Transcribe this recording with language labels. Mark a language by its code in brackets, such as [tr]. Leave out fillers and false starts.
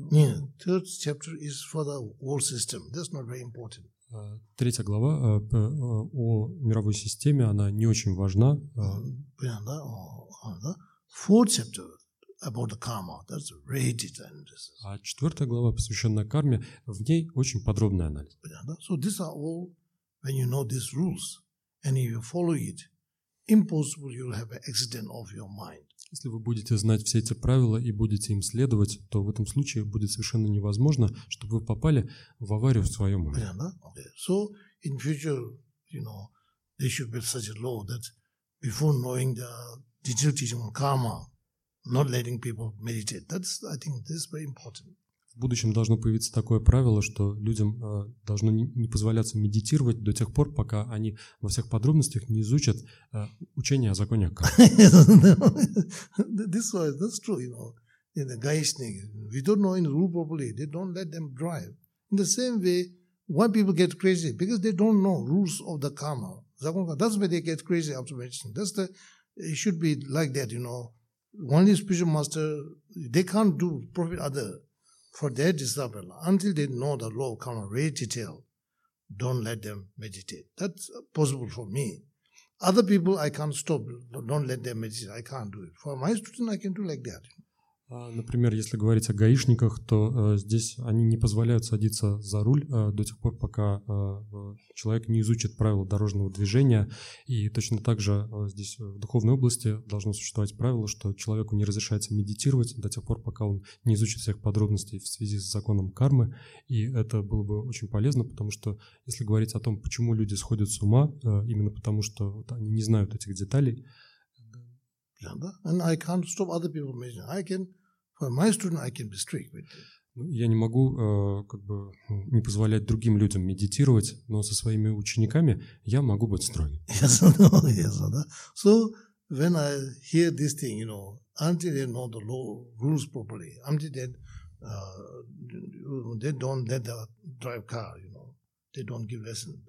[en] Нет, third chapter is for the world system, that's not very important. [ru] Третья глава о мировой системе, она не очень важна. Понятно, да? [en] Fourth chapter about the karma, that's very detailed analysis. [ru] А четвертая глава, посвященная карме, в ней очень подробный анализ. Понятно, да? [en] So these are all, when you know these rules, and if you follow it, impossible you'll have an accident of your mind. [ru] Если вы будете знать все эти правила и будете им следовать, то в этом случае будет совершенно невозможно, чтобы вы попали в аварию в своем уме. [en] Yeah, да? Okay. So in future, you know, there should be such a law that before knowing the digital teaching on karma, not letting people meditate. That's, I think, this is very important. [ru] В будущем должно появиться такое правило, что людям должно не позволяться медитировать до тех пор, пока они во всех подробностях не изучат учение о законе [en] кармы. This way, that's true, you know. In the Gaishnik, we don't know in the rule properly, they don't let them drive. In the same way, why people get crazy? Because they don't know rules of the karma. That's why they get crazy after meditation. That's the, it should be like that, you know. Only spiritual master, they can't do profit other. For their disciple, until they know the law of karma very detailed, don't let them meditate. That's possible for me. Other people, I can't stop. Don't let them meditate. I can't do it. For my student, I can do like that. [ru] Например, если говорить о гаишниках, то здесь они не позволяют садиться за руль до тех пор, пока человек не изучит правила дорожного движения. И точно так же здесь в духовной области должно существовать правило, что человеку не разрешается медитировать до тех пор, пока он не изучит всех подробностей в связи с законом кармы. И это было бы очень полезно, потому что если говорить о том, почему люди сходят с ума, именно потому что вот они не знают этих деталей, [en] and I can't stop other people meditating. I can, for my student, I can be strict with it. [ru] Я не могу как бы не позволять другим людям медитировать, но со своими учениками я могу быть строгим. [en] Yes, no, yes, no. So when I hear this thing, you know, until they know the law rules properly, until they don't let them drive car, you know, they don't give lesson.